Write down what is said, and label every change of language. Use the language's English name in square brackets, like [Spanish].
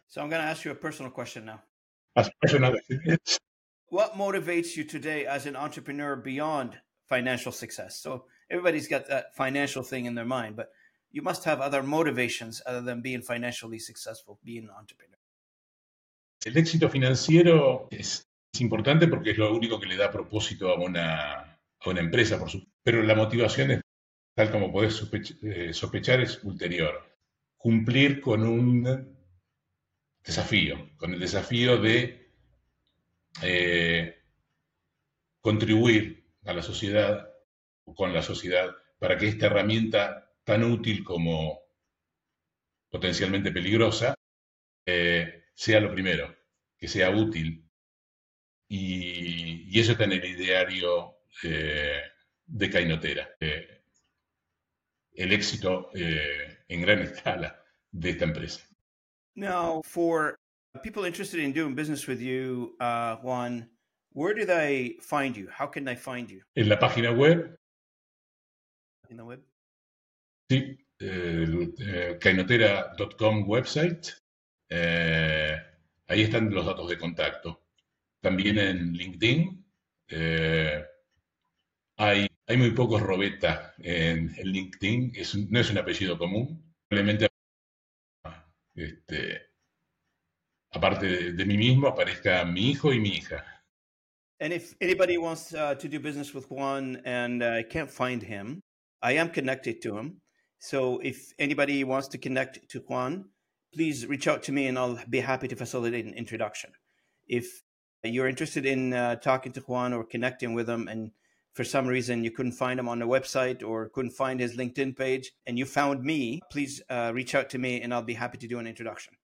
[English] So I'm going to ask you a personal question now. As personal as it is. What motivates you today as an entrepreneur beyond financial success? So everybody's got that financial thing in their mind, but you must have other motivations other than being financially successful, being an entrepreneur. [Spanish] El éxito financiero es importante porque es lo único que le da propósito a una empresa, por supuesto. Pero la motivación, es, tal como podés sospechar, es ulterior. Cumplir con un desafío, con el desafío de contribuir a la sociedad, con la sociedad, para que esta herramienta tan útil como potencialmente peligrosa sea lo primero, que sea útil. Y eso está en el ideario de Kenotera, el éxito en gran escala. De esta empresa. [English] Now, for people interested in doing business with you, Juan, where do they find you? How can they find you? [Spanish] En la página web. [English] In the web? [Spanish] Sí, kenotera.com website. Ahí están los datos de contacto. También en LinkedIn. Hay muy pocos Robeta en LinkedIn. No es un apellido común. Probablemente aparte de mí mismo, aparezca mi hijo y mi hija. [English] And if anybody wants to do business with Juan and I can't find him, I am connected to him. So if anybody wants to connect to Juan, please reach out to me and I'll be happy to facilitate an introduction. If you're interested in talking to Juan or connecting with him and for some reason you couldn't find him on the website or couldn't find his LinkedIn page, and you found me, please reach out to me and I'll be happy to do an introduction.